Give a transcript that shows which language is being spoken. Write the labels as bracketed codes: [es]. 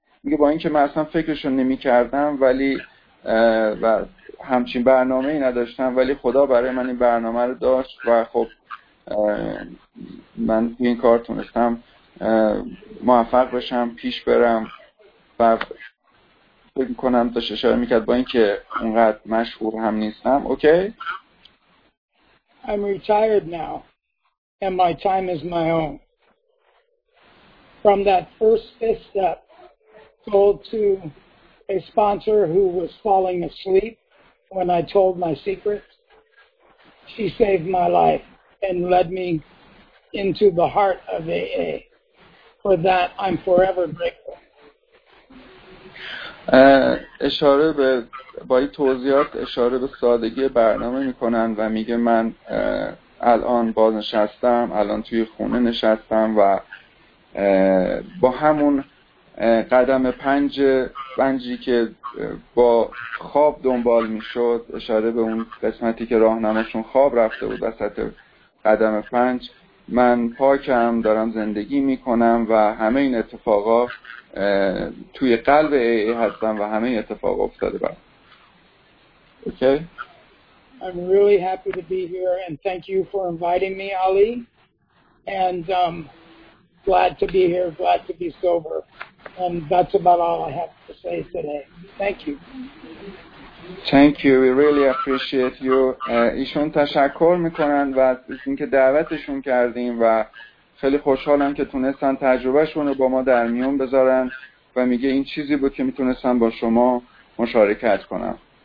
[fa] میگه با این که من اصلا فکرش رو نمی کردم ولی و همچین برنامه ای نداشتم ولی خدا برای من این برنامه رو داشت و خب من این کار تونستم موفق بشم پیش برم و فکر میکنم داشت اشاره میکرد با این که اونقدر مشهور هم نیستم. اوکی؟ [en] I'm retired now, and my time is my own. From that first fifth step, sold to a sponsor who was falling asleep when I told my secrets, she saved my life and led me into the heart of AA. For that, I'm forever grateful. [fa] اشاره به با این توضیحات اشاره به سادگی برنامه میکنن و میگه من الان بازنشستم، الان توی خونه نشستم و با همون قدم پنجی که با خواب دنبال میشد، اشاره به اون قسمتی که راهنماشون خواب رفته بود وسط قدم پنج، من پاکم، دارم زندگی میکنم و همه این اتفاقا توی قلب ای هستم و همه اتفاق افتاده برام. اوکی؟ [en] I'm really happy to be here and thank you for inviting me, Ali. And glad to be here, glad to be sober. And that's about all I have to say today. Thank you. Thank you. We really appreciate you. [fa] ایشون تشکر میکنن و از اینکه دعوتشون کردیم و خیلی خوشحالم که تونستن تجربهشون رو با ما در میون بذارن و میگه این چیزی بود که میتونستم با شما مشارکت کنم.